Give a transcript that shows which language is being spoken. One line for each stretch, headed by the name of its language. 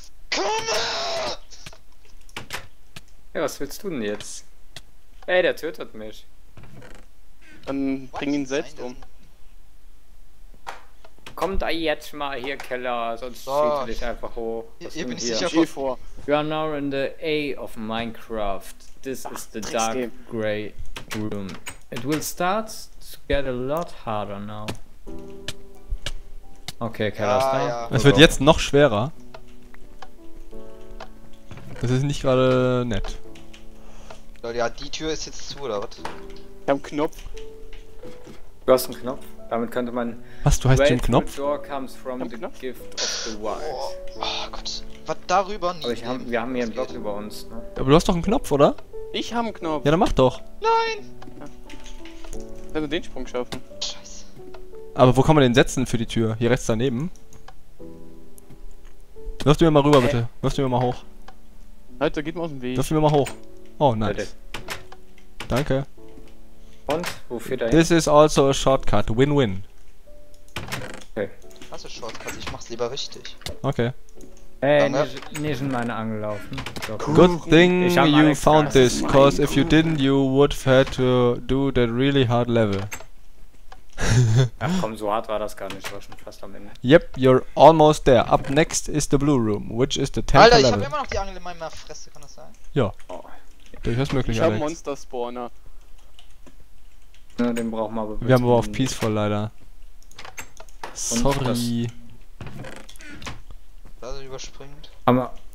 German: Komm her! Hey, was willst du denn jetzt? Ey, der tötet mich. Dann bring ihn selbst um. Komm da jetzt mal hier, Keller, sonst schieße dich einfach hoch. Hier bin ich sicher vor.
English: You are now in the A of Minecraft. This is the dark grey room. It will start to get a lot harder now.
German: Okay, Keller ist da. Ja. Es wird jetzt noch schwerer. Das ist nicht gerade nett. Ja, die Tür ist jetzt zu, oder was? Ich hab einen Knopf. Du hast einen Knopf? Damit könnte man. Was, du heißt den Knopf?
English: The door comes from the Knopf? Gift of the wild.
German: Oh Gott. Was darüber? Aber wir haben hier einen Block über uns. Ne? Aber du hast doch einen Knopf, oder? Ich hab einen Knopf. Ja, dann mach doch. Nein! Ja. Also den Sprung schaffen. Scheiße. Aber wo kann man den setzen für die Tür? Hier rechts daneben. Wirf du mir mal rüber, bitte. Wirf du mir mal hoch. Halt, da geht man aus dem Weg. Dürfen wir mal hoch. Oh, nice. Bitte. Danke. Und? Wofür da?
English: This is also a shortcut. Win-win.
German: Okay. Hast du Shortcuts? Ich mach's lieber richtig. Okay. Nee, sind meine angelaufen. So.
English: Good thing you found this, cause if you didn't, you would have had to do that really hard level.
German: Ach komm, so hart war das gar nicht, ich war schon fast am Ende.
English: Yep, you're almost there. Up next is the blue room, which is the 10th level.
German: Alter, ich hab immer noch die Angel in meiner Fresse, kann das sein? Ja. Durchaus möglich, Alex. Ich hab Monster-Spawner. Na, den brauchen wir aber. Wir haben aber auf Peaceful leider. Sorry. Also überspringt. Aber.